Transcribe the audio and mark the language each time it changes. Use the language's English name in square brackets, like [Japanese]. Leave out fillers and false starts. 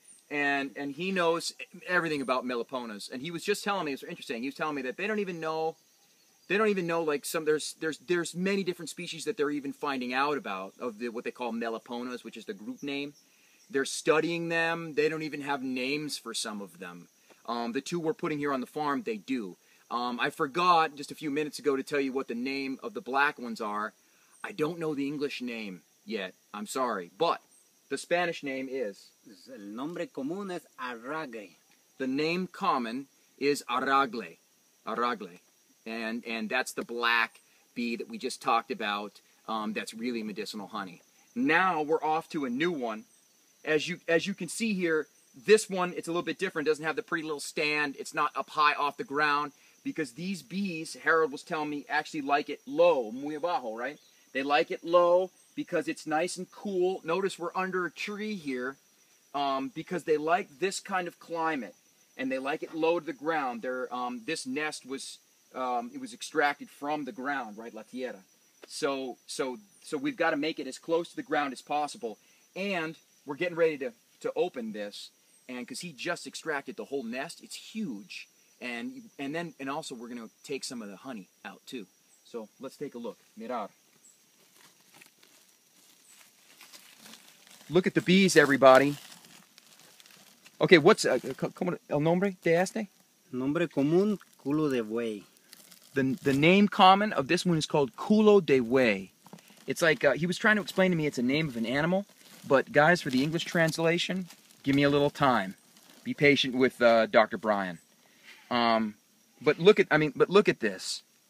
[English] And he knows everything about Melaponas. And he was just telling me, it's interesting, he was telling me that they don't even know, like, some, there's many different species that they're even finding out about, of the what they call Melaponas, which is the group name. They're studying them. They don't even have names for some of them. The two we're putting here on the farm, they do. I forgot just a few minutes ago to tell you what the name of the black ones are. I don't know the English name yet. I'm sorry. But the Spanish name is? [Spanish] El nombre común es Aragle. [English] The name common is Aragle. Aragle. And that's the black bee that we just talked about, that's really medicinal honey. Now we're off to a new one. As you can see here, this one, it's a little bit different. It doesn't have the pretty little stand. It's not up high off the ground because these bees, Harold was telling me, actually like it low, [Spanish] muy abajo, [English] right? They like it low because it's nice and cool. Notice we're under a tree here because they like this kind of climate and they like it low to the ground. This nest was it was extracted from the ground, right, [Spanish] la tierra. [English] So we've got to make it as close to the ground as possible. And we're getting ready to open this. And because he just extracted the whole nest, it's huge. And also we're going to take some of the honey out too. So let's take a look. Mirar. Look at the bees, everybody. Okay, what's [Spanish] el nombre de este? Nombre común, culo de buey. [English] The name common of this one is called culo de buey. It's like, he was trying to explain to me it's a name of an animal. But guys, for the English translation, give me a little time. Be patient with Dr. Brian. But look at this.